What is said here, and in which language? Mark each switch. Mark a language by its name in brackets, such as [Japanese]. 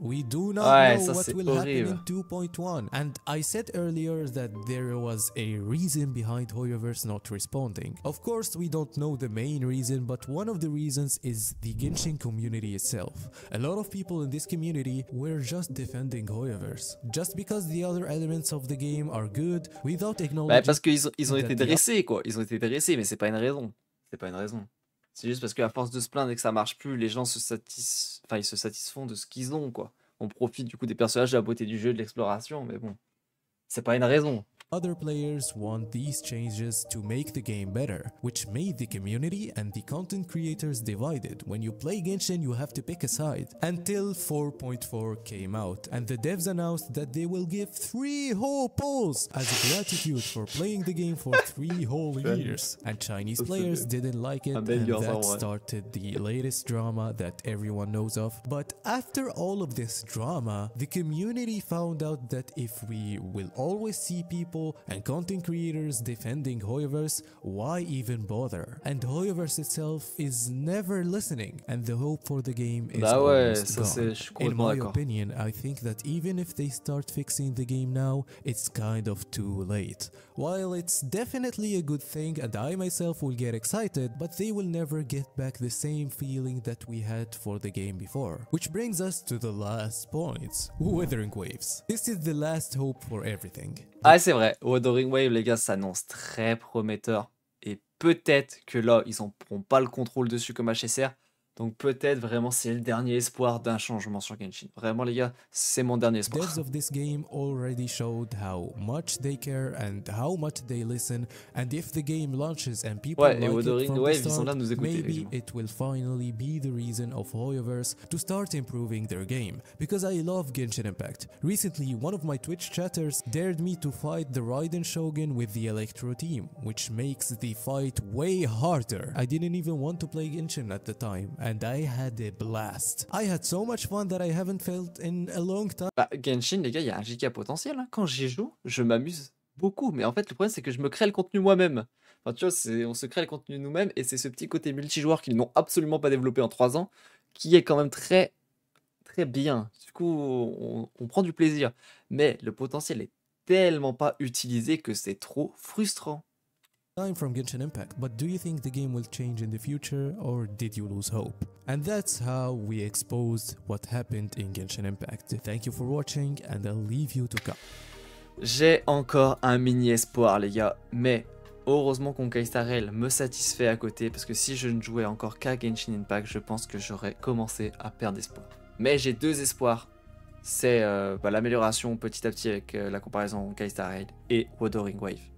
[English] We do not know what will happen in 2.1. And I said earlier that there was a reason behind Hoyoverse not responding. Of course, we don't know the main reason, but one of the reasons is the Genshin community itself. A lot of people in this community were just defending Hoyoverse, just because the other elements of the game are good, without acknowledging. [French] Bah, parce qu'ils ont été dressés, quoi. Ils ont été dressés, mais c'est pas une raison. C'est pas une raison. C'est juste parce qu'à force de se plaindre et que ça marche plus, les gens se enfin, ils se satisfont de ce qu'ils ont, quoi. On profite du coup des personnages, de la beauté du jeu, de l'exploration, mais bon, c'est pas une raison. [English] Other players want these changes to make the game better, which made the community and the content creators divided. When you play Genshin, you have to pick a side. Until 4.4 came out, and the devs announced that they will give 3 whole polls as a gratitude for playing the game for 3 whole years. And Chinese players didn't like it, and that started the latest drama that everyone knows of. But after all of this drama, the community found out that if we will always see people and content creators defending Hoyoverse, why even bother? And Hoyoverse itself is never listening, and the hope for the game is gone. In my opinion, I think that even if they start fixing the game now, it's kind of too late. While it's definitely a good thing, and I myself will get excited, but they will never get back the same feeling that we had for the game before. Which brings us to the last point, Wuthering Waves. This is the last hope for everything. [French] Ah, c'est vrai, Wuthering Wave, les gars, s'annonce très prometteur. Et peut-être que là, ils n'en prendront pas le contrôle dessus comme HSR. Donc peut-être vraiment c'est le dernier espoir d'un changement sur Genshin. Vraiment les gars, c'est mon dernier espoir. [English] Devs of this game already showed how much they care and how much they listen, and if the game launches and people like it from the start, [French] ils sont là nous écouter, [English] maybe [French] évidemment. [English] It will finally be the reason of Hoyoverse to start improving their game. Because I love Genshin Impact. Recently, one of my Twitch chatters dared me to fight the Raiden Shogun with the Electro team, which makes the fight way harder. I didn't even want to play Genshin at the time. And I had a blast. I had so much fun that I haven't felt in a long time. [French] Bah, Genshin, les gars, il y a un giga potentiel. Hein. Quand j'y joue, je m'amuse beaucoup. Mais en fait, le problème, c'est que je me crée le contenu moi-même. Enfin, tu vois, on se crée le contenu nous-mêmes. Et c'est ce petit côté multijoueur qu'ils n'ont absolument pas développé en 3 ans qui est quand même très, très bien. Du coup, on prend du plaisir. Mais le potentiel est tellement pas utilisé que c'est trop frustrant. [English] Time from Genshin Impact, but do you think the game will change in the future, or did you lose hope? And that's how we exposed what happened in Genshin Impact. Thank you for watching, and I'll leave you to come. [French] J'ai encore un mini espoir, les gars, mais heureusement qu'Honkaistarrail me satisfait à côté, parce que si je ne jouais encore qu'à Genshin Impact, je pense que j'aurais commencé à perdre espoir. Mais j'ai 2 espoirs. C'est l'amélioration petit à petit avec la comparaison Honkaistarrail et Wuthering Wave.